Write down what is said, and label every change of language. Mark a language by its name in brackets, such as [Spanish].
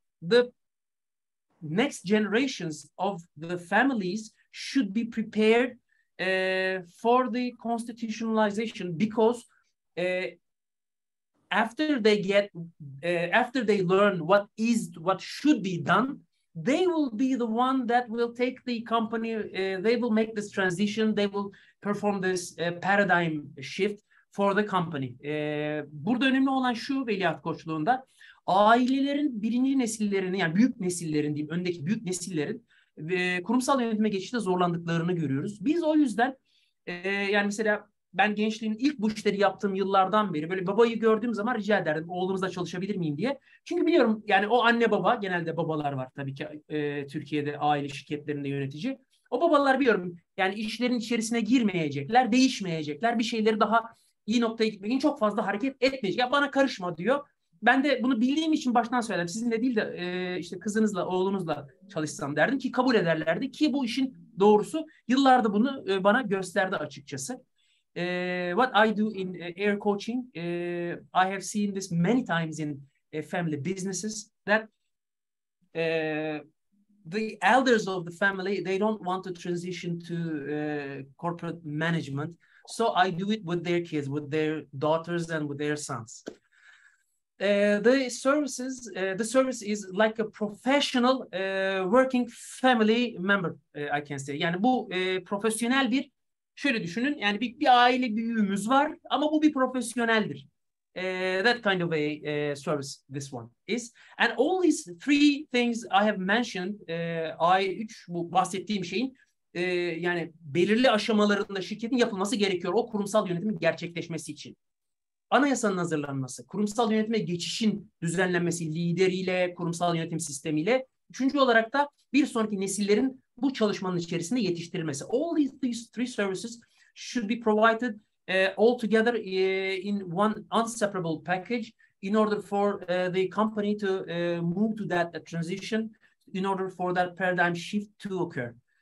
[English] The next generations of the families should be prepared for the constitutionalization, because after they learn what should be done, they will be the one that will take the company, they will make this transition, they will perform this paradigm shift for the company. [Turkish] Burada önemli olan şu veliaht koçluğunda, ailelerin birinci nesillerini, yani büyük nesillerin diyeyim, öndeki büyük nesillerin kurumsal yönetime geçişte zorlandıklarını görüyoruz. Biz o yüzden yani mesela ben gençliğin ilk bu işleri yaptığım yıllardan beri böyle babayı gördüğüm zaman rica ederdim, oğlumuzla çalışabilir miyim diye. Çünkü biliyorum, yani o anne baba, genelde babalar var tabii ki Türkiye'de aile şirketlerinde yönetici. O babalar biliyorum, yani işlerin içerisine girmeyecekler, değişmeyecekler, bir şeyleri daha iyi noktaya gitmek için çok fazla hareket etmeyecek. Ya bana karışma diyor. Ben de bunu bildiğim için baştan söyledim. Sizinle değil de işte kızınızla, oğlunuzla çalışsam derdim ki kabul ederlerdi. Ki bu işin doğrusu yıllarda bunu bana gösterdi açıkçası. [English] What I do in air coaching, I have seen this many times in family businesses, that the elders of the family, they don't want to transition to corporate management. So I do it with their kids, with their daughters and with their sons. The service is like a professional working family member, I can say. [Turkish] Yani bu profesyonel bir, şöyle düşünün, yani bir aile büyüğümüz var ama bu bir profesyoneldir. [English] That kind of a service this one is. And all these three things I have mentioned, [Turkish] üç bu bahsettiğim şeyin, yani belirli aşamalarında şirketin yapılması gerekiyor o kurumsal yönetimin gerçekleşmesi için. Anayasanın hazırlanması, kurumsal yönetime geçişin düzenlenmesi lideriyle, kurumsal yönetim sistemiyle. Üçüncü olarak da bir sonraki nesillerin bu çalışmanın içerisinde yetiştirilmesi. [English] All these three services should be provided all together in one inseparable package in order for the company to move to that transition, in order for that paradigm shift to occur.